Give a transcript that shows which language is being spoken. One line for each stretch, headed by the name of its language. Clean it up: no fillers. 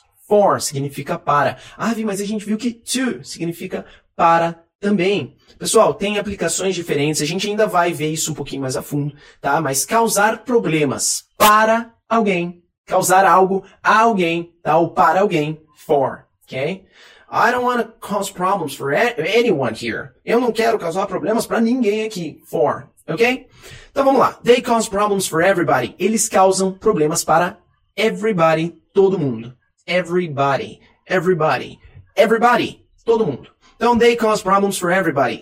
Portuguese: for significa para. Ah, Vi, mas a gente viu que to significa para também. Pessoal, tem aplicações diferentes, a gente ainda vai ver isso um pouquinho mais a fundo, tá? Mas causar problemas para alguém, causar algo a alguém, tá? Ou para alguém, for, ok?
English: I don't want to cause problems for anyone here.
Portuguese: Eu não quero causar problemas para ninguém aqui, for, ok? Então vamos lá,
English: they cause problems for everybody.
Portuguese: Eles causam problemas para everybody, todo mundo.
English: Everybody, everybody, everybody,
Portuguese: todo mundo.
English: Então, they cause problems for everybody.